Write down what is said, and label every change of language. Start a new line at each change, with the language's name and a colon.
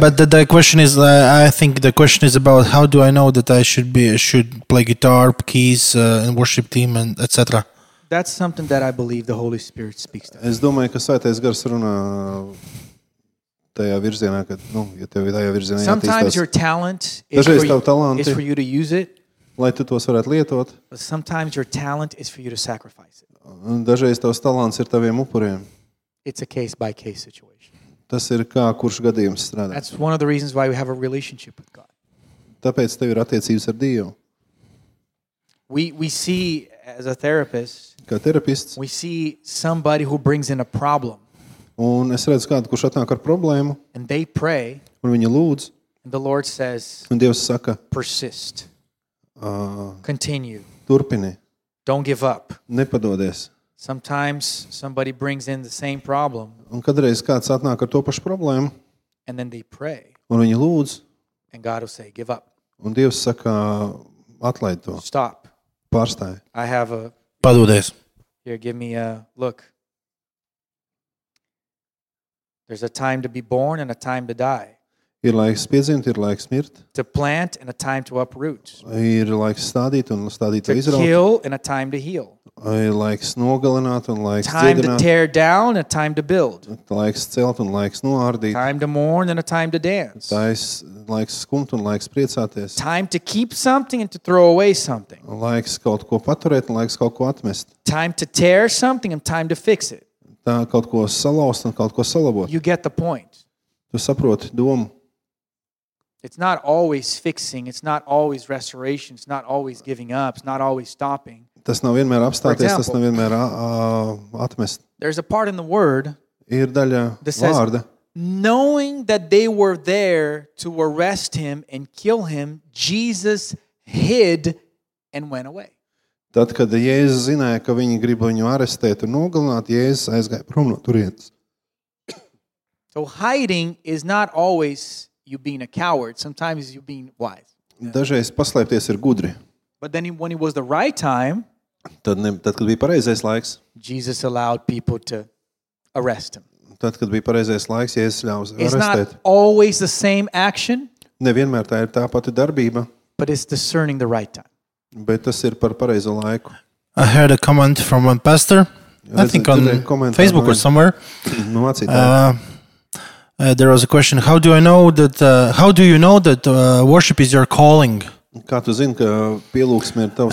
English: But the question is, I think the question is about how do I know that I should play guitar, keys, and worship team, and etc. That's something that I believe the Holy Spirit speaks to.
Latvian: Es domāju, ka Svētais Gars runā tajā virzienā, kad, nu, ja tev tajā virzienā jātīstās.
English: Sometimes your talent is for you to use it.
Latvian: Lai tu tos varētu lietot.
English: But sometimes your talent is for you to sacrifice it.
Latvian: Un dažreiz tavs talants ir taviem upuriem.
English: It's a case by case situation.
Latvian: Tas ir kā kurš gadījums strādā.
English: That's one of the reasons why we have a relationship with God.
Latvian: Tāpēc tev ir attiecības ar Dievu.
English: We see as a therapist.
Latvian: Kā terapists.
English: We see somebody who brings in a problem.
Latvian: Un es redzu kādu, kurš atnāk ar problēmu.
English: And they pray.
Latvian: Un viņi lūdz.
English: And the Lord says.
Latvian: Un Dievs saka.
English: Persist. Continue.
Latvian: Turpini.
English: Don't give up.
Latvian: Nepadodies.
English: Sometimes somebody brings in the same problem.
Latvian: Un kadreiz kāds atnāk ar to pašu problēmu.
English: And then they pray.
Latvian: Un viņi lūdz.
English: And God will say, give up.
Latvian: Un Dievs saka, atlaid to.
English: Stop.
Latvian: Pārstāj.
English: I have a...
Latvian: Padodies.
English: Here, give me a look. There's a time to be born and a time to die.
Latvian: Ir laiks piedzimt, ir laiks mirt.
English: To plant and a time to uproot.
Latvian: Ir laiks stādīt un stādīt
English: to
Latvian: izraut.
English: To kill and a time to heal.
Latvian: Ir laiks nogalināt un laiks dziedināt.
English: Time to tear down and a time to build.
Latvian: Laiks celt un laiks noārdīt.
English: Time to mourn and a time to dance.
Latvian: Tais laiks skumt un laiks priecāties.
English: Time to keep something and to throw away something.
Latvian: Laiks kaut ko paturēt un laiks kaut ko atmest.
English: Time to tear something and time to fix it.
Latvian: Tā kaut ko salaust un kaut ko salabot.
English: You get the point.
Latvian: Tu saproti domu.
English: It's not always fixing, it's not always restoration, it's not always giving up, it's not always stopping.
Latvian: Tas nav vienmēr apstāties, tas nav vienmēr atmest.
English: There's a part in the word.
Latvian: Ir daļa vārda.
English: Knowing that they were there to arrest him and kill him, Jesus hid and went away.
Latvian: Tad, kad Jēzus zināja, ka viņi grib viņu arestēt un nogalināt, Jēzus aizgāja prom no turienes.
English: So hiding is not always you being a coward, sometimes you being wise.
Latvian: Dažreiz paslēpties ir gudri.
English: But then when it was the right time,
Latvian: tad kad bija pareizais laiks,
English: Jesus allowed people to arrest him.
Latvian: Tad kad bija pareizais laiks, Jēzus ļaus arestēt.
English: It's not always the same action.
Latvian: Nevienmēr tā ir tā pati darbība.
English: But it's discerning the right time.
Latvian: Bet tas ir par pareizo laiku.
English: I heard a comment from one pastor. I think on Facebook or somewhere. No, that's it. There was a question, how do you know that worship is your calling?
Latvian: Kā tu zini, ka pielūksme ir tavs